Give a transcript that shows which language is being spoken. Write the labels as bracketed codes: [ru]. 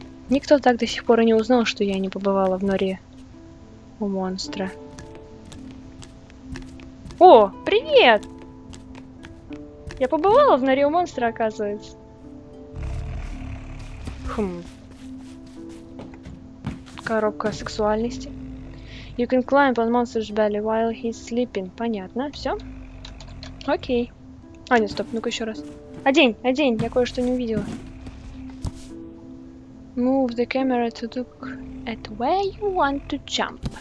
[ru] Никто так до сих пор и не узнал, что я не побывала в норе у монстра. О, привет! Я побывала в норе у монстра, оказывается. Хм. Коробка сексуальности. [en] You can climb on monster's belly while he's sleeping. [ru] Понятно, все. Окей. А, нет, стоп, ну-ка еще раз. Одень, одень, я кое-что не увидела. [en] Move the camera to look at where you want to jump.